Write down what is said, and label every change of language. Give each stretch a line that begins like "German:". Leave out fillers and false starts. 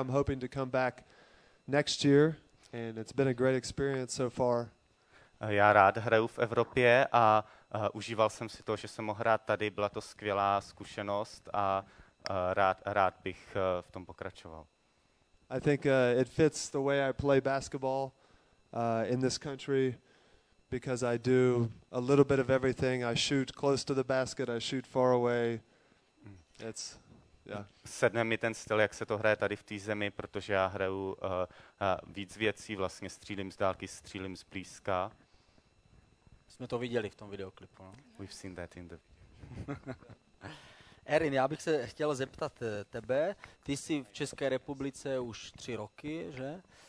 English: I'm hoping to come back next year, and it's been a great experience so far.
Czech: Já rád hraju v Evropě a užíval jsem si to, že jsem mohl hrát tady. Byla to skvělá zkušenost a rád bych v tom pokračoval.
English: I think it fits the way I play basketball in this country. Because I do a little bit of everything. I shoot close to the basket, I shoot far away. It's, yeah.
Czech: Sedne mi ten styl, jak se to hraje tady v té zemi, protože já hraju víc věcí, vlastně střílím z dálky, střílím z blízka. Jsme to viděli v tom videoklipu. No?
English: We've seen that in the video.
Czech: Erin, já bych se chtěl zeptat tebe. Ty jsi v České republice už 3 roky, že?